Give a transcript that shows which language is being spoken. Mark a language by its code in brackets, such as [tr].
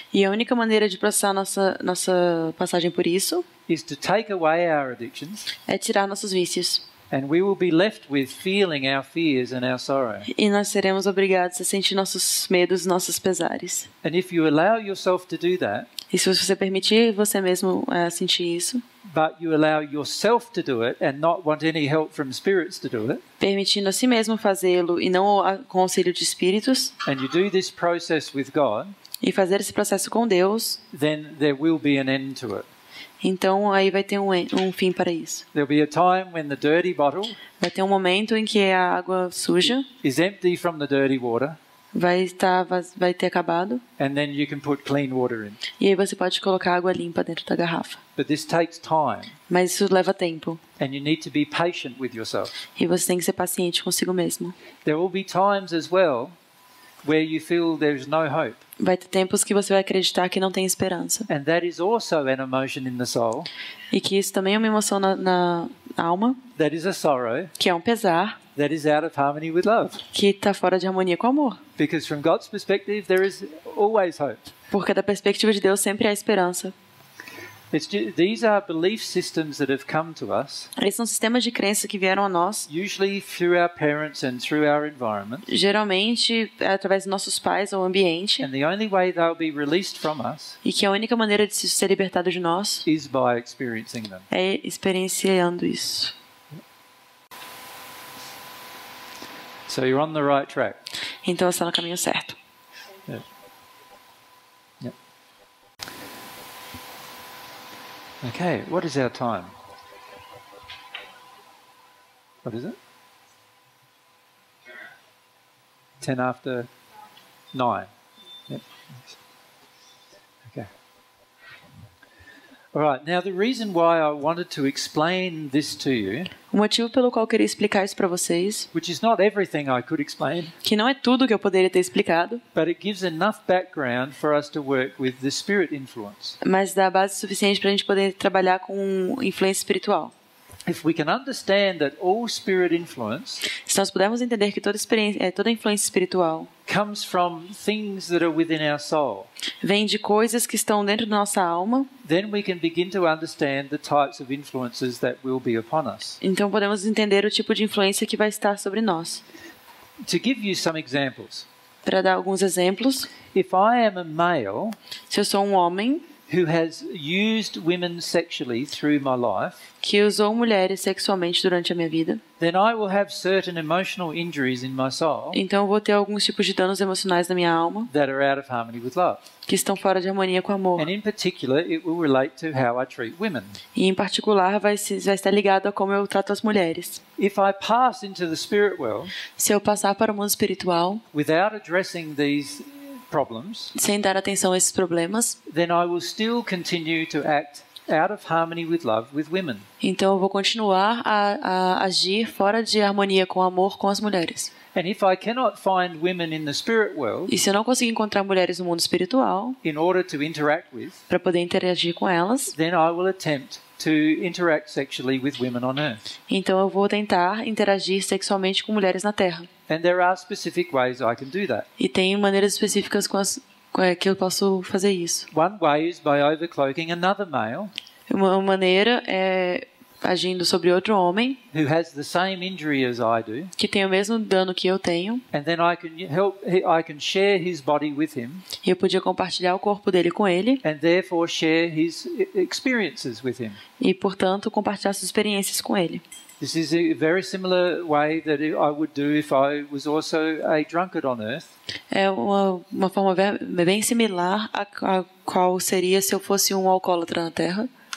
[pt] e a única maneira de processar nossa passagem por isso, [en] is to take away our addictions. [pt] É tirar nossos vícios. [en] And we will be left with feeling our fears and our sorrow. [pt] E nós seremos obrigados a sentir nossos medos, nossos pesares. [en] And if you allow yourself to do that, [pt] e se você permitir você mesmo sentir isso, [en] but you allow yourself to do it and not want any help from spirits to do it, [pt] permitindo a si mesmo fazê-lo e não com auxílio de espíritos, [en] and you do this process with God, [pt] e fazer esse processo com Deus, [en] then there will be an end to it. [pt] Então aí vai ter um fim para isso. [en] There'll be a time when the dirty bottle, [pt] vai ter momento em que a água suja [en] is empty from the dirty water, [pt] vai ter acabado, [en] and then you can put clean water in. [pt] E aí você pode colocar água limpa dentro da garrafa. [en] But this takes time, [pt] mas isso leva tempo. [en] And you need to be patient with yourself. [pt] E você tem que ser paciente consigo mesmo. [en] There will be times as well where you feel there's no hope. [pt] Vai ter tempos que você vai acreditar que não tem esperança. [en] And that is also an emotion in the soul. [pt] E que isso também é uma emoção na alma. [en] That is a sorrow. [pt] Que é um pesar. [en] That is out of harmony with love. [pt] Que está fora de harmonia com amor. [en] Because from God's perspective, there is always hope. [pt] Porque da perspectiva de Deus sempre há esperança. [en] These are belief systems that have come to us. [pt] Esses são sistemas de crença que vieram a nós. [en] Usually through our parents and through our environment. [pt] Geralmente através dos nossos pais ou ambiente. [en] And the only way they'll be released from us. [pt] E que a única maneira de se ser libertado de nós. [en] Is by experiencing them. [pt] É experienciando isso. [en] So you're on the right track. [pt] Então você está no caminho certo. [en] Okay, what is our time? What is it? 9:10. Yep. Okay. All right, now the reason why I wanted to explain this to you, [pt] o motivo pelo qual eu queria explicar isso para vocês, [en] which is not everything I could explain, [pt] que não é tudo que eu poderia ter explicado, [en] but it gives enough background for us to work with the spirit influence. [pt] Mas dá base suficiente para a gente poder trabalhar com influência espiritual. [en] If we can understand that all spirit influence, [pt] se nós pudermos entender que toda influência espiritual [en] comes from things that are within our soul, [pt] vem de coisas que estão dentro da nossa alma, [en] then we can begin to understand the types of influences that will be upon us. [pt] Então podemos entender o tipo de influência que vai estar sobre nós. [en] To give you some examples, [pt] para dar alguns exemplos, [en] if I am a male, [pt] se eu sou um homem, [en] who has used women sexually through my life, [pt] que usou mulheres sexualmente durante a minha vida, [en] then I will have certain emotional injuries in my soul, [pt] então eu vou ter alguns tipos de danos emocionais na minha alma, [en] that are out of harmony with love, [pt] que estão fora de harmonia com amor. [en] And in particular, it will relate to how I treat women. [pt] E em particular vai estar ligado a como eu trato as mulheres. [en] If I pass into the spirit world, [pt] se eu passar para o mundo espiritual, [en] without addressing these problems, [pt] sem dar atenção a esses problemas, [en] then I will still continue to act out of harmony with love with women. [pt] Então eu vou continuar a agir fora de harmonia com amor com as mulheres. [en] And if I cannot find women in the spirit world, [pt] e se eu não conseguir encontrar mulheres no mundo espiritual, [en] in order to interact with, [pt] para poder interagir com elas, [en] then I will attempt to interact sexually with women on earth. [pt] Então eu vou tentar interagir sexualmente com mulheres na Terra. [en] And there are specific ways I can do that. [pt] E tem maneiras específicas com as que eu posso fazer isso. [en] One way is by overcloaking another male. [pt] Uma maneira é agindo sobre outro homem. [en] Who has the same injury as I do. [pt] Que tem o mesmo dano que eu tenho. [en] And then I can help. I can share his body with him. [pt] E eu podia compartilhar o corpo dele com ele. [en] And therefore share his experiences with him. [pt] E portanto compartilhar suas experiências com ele. [en] This is a very similar way that I would do if I was also a drunkard on earth. [pt] É uma forma bem similar a qual seria se eu fosse um alcoólatra na Terra.